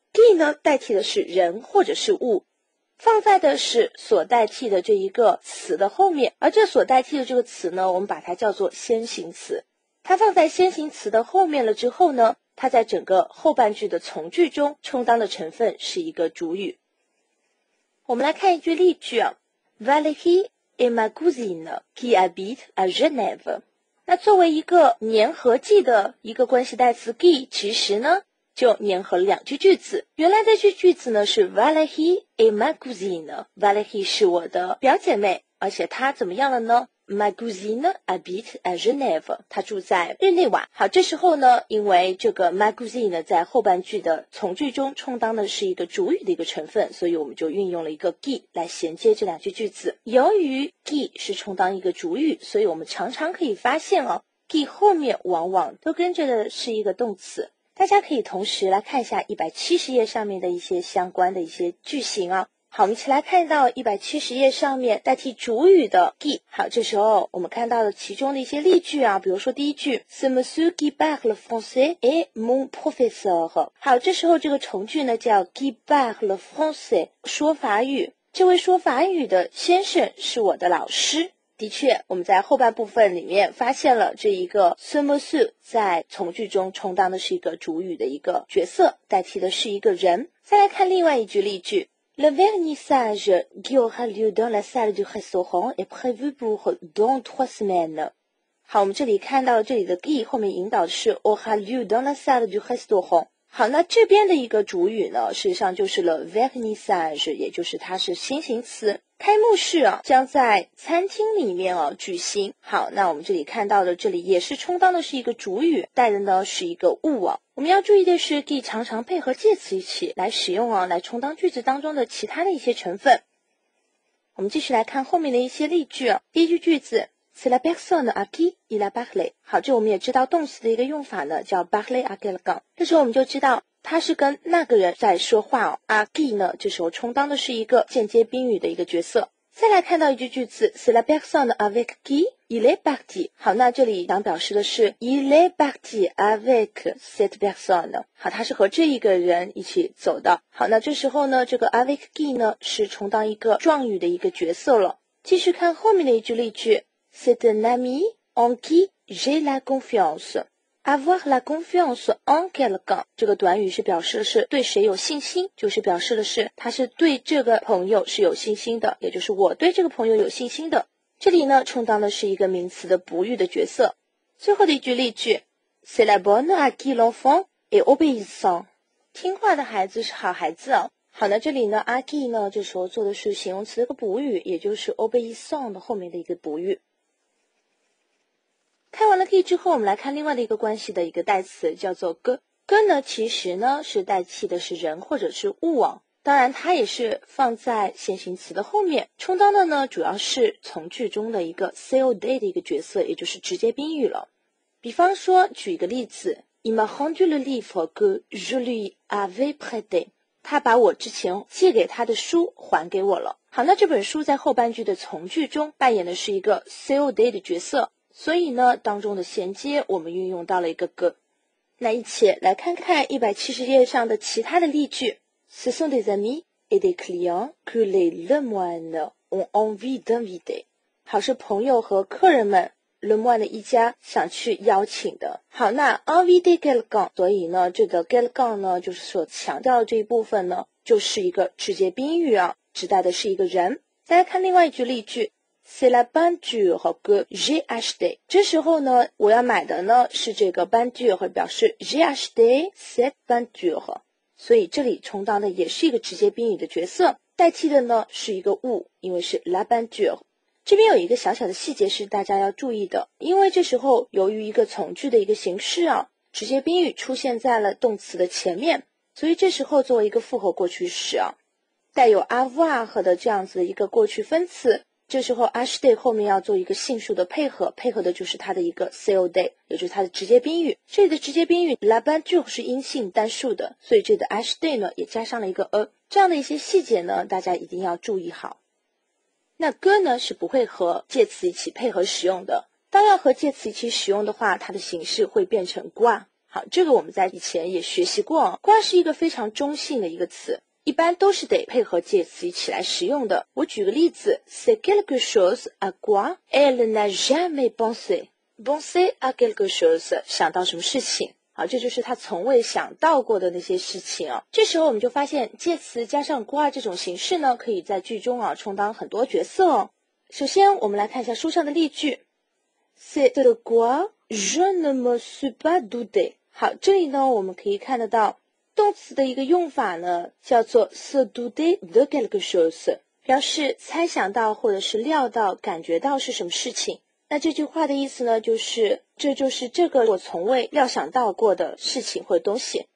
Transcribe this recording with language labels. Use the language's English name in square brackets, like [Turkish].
[Chinese] qui 呢代替的是人或者是物，放在的是所代替的这一个词的后面，而这所代替的这个词呢，我们把它叫做先行词。它放在先行词的后面了之后呢，它在整个后半句的从句中充当的成分是一个主语。我们来看一句例句啊， [French] Valérie est ma cousine qui habite à Genève。 [Chinese] 那作为一个粘合剂的一个关系代词 qui， 其实呢就粘合了两句句子。原来的这句子呢是 [French] Valérie est ma cousine， [Chinese] Valérie 是我的表姐妹，而且她怎么样了呢？ [French] Ma cousine habite à Genève， [Chinese] 她住在日内瓦。好，这时候呢，因为这个 [French] ma cousine [Chinese] 在后半句的从句中充当的是一个主语的一个成分，所以我们就运用了一个 qui 来衔接这两句句子。由于 qui 是充当一个主语，所以我们常常可以发现哦， qui 后面往往都跟着的是一个动词。大家可以同时来看一下170页上面的一些相关的一些句型啊。好，我们一起来看到170页上面代替主语的 qui。好，这时候我们看到了其中的一些例句啊，比如说第一句 [French] Ce monsieur qui parle le français est mon professeur。 [Chinese] 好，这时候这个从句呢叫 [French] qui parle le français， [Chinese] 说法语，这位说法语的先生是我的老师。的确，我们在后半部分里面发现了这一个 [French] ce monsieur [Chinese] 在从句中充当的是一个主语的一个角色，代替的是一个人。再来看另外一句例句 [French] Le vernissage qui aura lieu dans la salle du restaurant est prévu pour dans trois semaines。 [Chinese] 好，我们这里看到这里的 qui 后面引导的是 [French] aura lieu dans la salle du restaurant。 [Chinese] 好，那这边的一个主语呢，事实上就是 [French] le vernissage， [Chinese] 也就是它是先行词，开幕式啊将在餐厅里面啊举行。好，那我们这里看到的这里也是充当的是一个主语，带的呢是一个物啊。我们要注意的是 qui 常常配合介词一起来使用啊，来充当句子当中的其他的一些成分。我们继续来看后面的一些例句啊。第一句句子 [French] c'est la personne à qui il a parlé。 [Chinese] 好，这我们也知道动词的一个用法呢叫 [French] parler à quelqu'un， [Chinese] 这时候我们就知道他是跟那个人在说话哦。阿 qui 呢，这时候充当的是一个间接宾语的一个角色。再来看到一句句子 [French] c'est la personne avec qui il est parti。 [Chinese] 好，那这里想表示的是 [French] il est parti avec cette personne。 [Chinese] 好，他是和这一个人一起走的。好，那这时候呢，这个 [French] avec qui [Chinese] 呢是充当一个状语的一个角色了。继续看后面的一句例句 [French] c'est un ami en qui j'ai la confiance。 avoir la confiance en quelqu'un [Chinese] 这个短语是表示的是对谁有信心，就是表示的是他是对这个朋友是有信心的，也就是我对这个朋友有信心的。这里呢充当的是一个名词的补语的角色。最后的一句例句 [French] c'est la bonne à qui l'enfant est obéissant。 [Chinese] 听话的孩子是好孩子哦。好，那这里呢 ，aki 呢，这时候做的是形容词的一个补语，也就是 obéissant 的后面的一个补语。看完了 ki 之后，我们来看另外的一个关系的一个代词，叫做 ge。 ge 呢，其实呢是代替的是人或者是物哦。当然，它也是放在先行词的后面，充当的呢主要是从句中的一个 COD 的一个角色，也就是直接宾语了。比方说，举一个例子 [French] ，il m'a rendu le livre que je lui avais prêté。 [Chinese] 他把我之前借给他的书还给我了。好，那这本书在后半句的从句中扮演的是一个 COD 的角色，所以呢当中的衔接我们运用到了一个 ge。那一起来看看170页上的其他的例句。 [French] Ce sont des amis et des clients que les le moine ont envie d'inviter。 [Chinese] 好，是朋友和客人们Le Moine 一家想去邀请的。好，那 [French] envie de quelqu'un， [Chinese] 所以呢这个 quelqu'un 呢就是所强调的这一部分呢就是一个直接宾语啊，指代的是一个人。大家看另外一句例句 [French] c'est la peinture que j'ai acheté。 [Chinese] 这时候呢我要买的呢是这个 peinture， 表示 [French] j'ai acheté cette peinture， [Chinese] 所以这里充当的也是一个直接宾语的角色，代替的呢是一个物，因为是 la peinture。这边有一个小小的细节是大家要注意的，因为这时候由于一个从句的一个形式啊，直接宾语出现在了动词的前面，所以这时候作为一个复合过去时啊，带有 avoir 的这样子的一个过去分词，这时候 acheter 后面要做一个信数的配合，配合的就是它的一个 COD， 也就是它的直接宾语。这里的直接宾语 [French] la peinture [Chinese] 是阴性单数的，所以这里的 acheter 呢也加上了一个 a， 这样的一些细节呢大家一定要注意好。那歌呢是不会和介词一起配合使用的，当要和介词一起使用的话，它的形式会变成挂。好，这个我们在以前也学习过，挂是一个非常中性的一个词，一般都是得配合介词一起来使用的。我举个例子 [French] c'est quelque chose à quoi elle n'a jamais pensé à quelque chose， [Chinese] 想到什么事情。好，这就是他从未想到过的那些事情哦。这时候我们就发现介词加上挂这种形式呢可以在句中啊充当很多角色哦。首先我们来看一下书上的例句 [French] C'est de quoi je ne me suis pas douté。 [Chinese] 好，这里呢我们可以看得到动词的一个用法呢叫做 [French] se douter de quelque chose， [Chinese] 表示猜想到或者是料到感觉到是什么事情。那这句话的意思呢就是这就是这个我从未料想到过的事情或东西。